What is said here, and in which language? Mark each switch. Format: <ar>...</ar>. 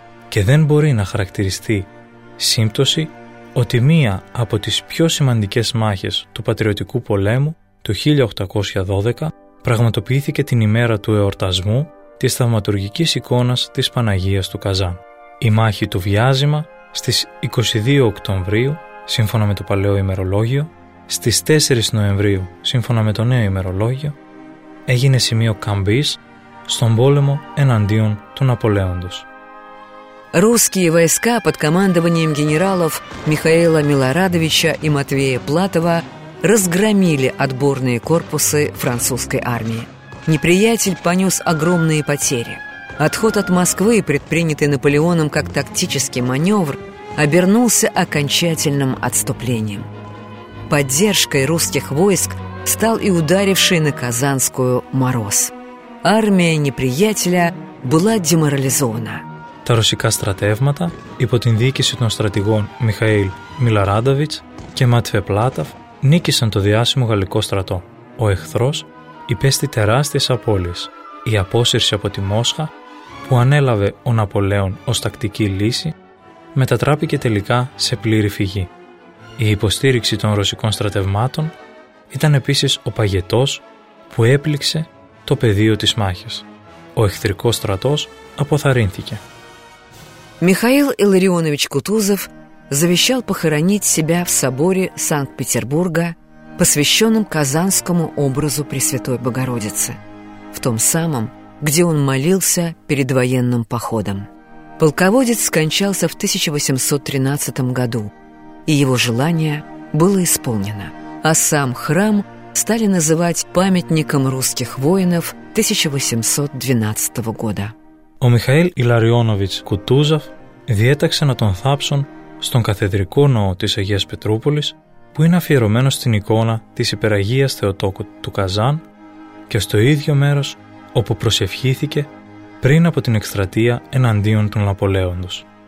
<el>Και δεν μπορεί να χαρακτηριστεί σύμπτωση ότι μία από τις πιο σημαντικές μάχες του Πατριωτικού Πολέμου του 1812 πραγματοποιήθηκε την ημέρα του εορτασμού της θαυματουργικής εικόνας της Παναγίας του Καζάν. Η μάχη του Βιάζημα στις 22 Οκτωβρίου, σύμφωνα με το παλαιό ημερολόγιο, στις 4 Νοεμβρίου, σύμφωνα με το νέο ημερολόγιο, έγινε σημείο καμπής στον πόλεμο εναντίον του Ναπολέοντος.</el> <ru>Русские войска под командованием генералов Михаила Милорадовича и Матвея Платова разгромили отборные корпусы французской армии. Неприятель понес огромные потери. Отход от Москвы, предпринятый Наполеоном как тактический маневр, обернулся окончательным отступлением. Поддержкой русских войск стал и ударивший на Казанскую мороз. Армия неприятеля была деморализована.</ru> <el>Τα ρωσικά στρατεύματα, υπό την διοίκηση των στρατηγών Μιχαήλ Μιλαράντοβιτς και Μάτφε Πλάταφ, νίκησαν το διάσημο γαλλικό στρατό. Ο εχθρός υπέστη τεράστιες απώλειες. Η απόσυρση από τη Μόσχα, που ανέλαβε ο Ναπολέον ως τακτική λύση, μετατράπηκε τελικά σε πλήρη φυγή. Η υποστήριξη των ρωσικών στρατευμάτων ήταν επίσης ο παγετός που έπληξε το πεδίο της μάχης. Ο εχθρικός στρατός αποθαρρύνθηκε.</el> <ru>Михаил Илларионович Кутузов завещал похоронить себя в соборе Санкт-Петербурга, посвященном Казанскому образу Пресвятой Богородицы, в том самом, где он молился перед военным походом. Полководец скончался в 1813 году, и его желание было исполнено. А сам храм стали называть памятником русских воинов 1812 года.</ru> <el>О Михаил Илларионович Кутузов διέταξε να τον θάψουν στον καθεδρικό ναό της Αγίας Πετρούπολης που είναι αφιερωμένο στην εικόνα της Υπεραγίας Θεοτόκου του Καζάν και στο ίδιο μέρος όπου προσευχήθηκε πριν από την εκστρατεία εναντίον του Ναπολέοντος.</el>